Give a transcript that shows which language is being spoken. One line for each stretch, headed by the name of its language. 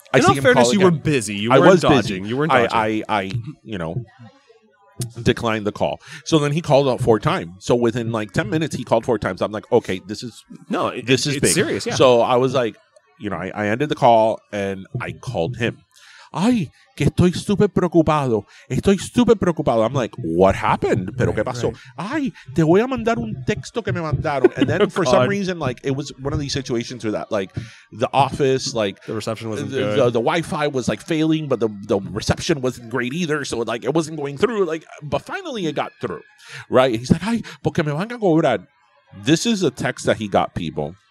English: In all fairness, you were busy. I was dodging. You weren't dodging. I declined the call. So then he called out four times. So within like 10 minutes, he called four times. I'm like, okay, this is serious. Yeah. So I was like, I ended the call and I called him.
Spanish: Ay, que estoy súper preocupado. Estoy súper preocupado.
English: I'm like, what happened?
Spanish: Pero qué pasó? Ay, te voy a mandar un texto que me mandaron.
English: And then for some reason, like, it was one of these situations where that, like, the office, like, the reception wasn't good. The Wi-Fi was, like, failing, but the reception wasn't great either. So, like, it wasn't going through. Like, but finally it got through, right? He's like,
Spanish: ay, porque me van a cobrar.
English: This is a text that he got, people.